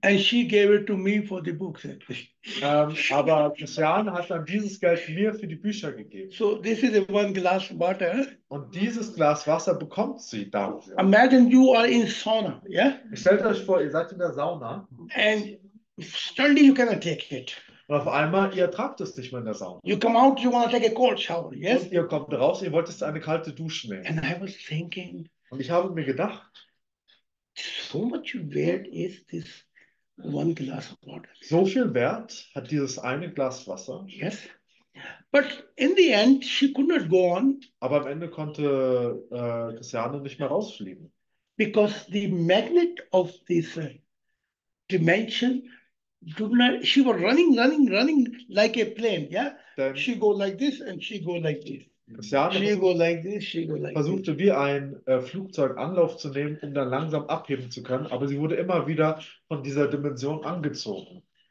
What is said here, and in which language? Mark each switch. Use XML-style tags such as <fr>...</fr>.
<en>And she gave it to me for the books.</en> <de>Aber Christiane hat dann dieses Geld mir für die Bücher gegeben.</de> <en>So this is one glass water.</en> <de>Und dieses Glas Wasser bekommt sie dafür.</de> <en>Imagine you are in sauna, yeah?</en> <de>Stellt euch vor, ihr seid in der Sauna.</de> <en>And suddenly you cannot take it.</en> <de>Und auf einmal, ihr tragt es nicht mehr in der Sauna.</de> <en>You come out, you want to take a cold shower, yes?</en> <de>Und ihr kommt raus, ihr wolltet eine kalte Dusche nehmen.</de> <en>And I was thinking.</en> <de>Und ich habe mir gedacht,</de> <en>so much wert is this one glass of water.</en> <de>So viel Wert hat dieses eine Glas Wasser.</de> <en>Yes. But in the end, she could not go on.</en> <de>Aber am Ende konnte Christiane nicht mehr rausfliegen.</de> <en>Because the magnet of this dimension, she was running like a plane, yeah?</en> <de>Denn</de> <en>she go like this and she go like this.</en> <de>Versuchte wie ein Flugzeug Anlauf zu nehmen, um dann langsam abheben zu können, aber sie wurde immer wieder von dieser Dimension angezogen.</de>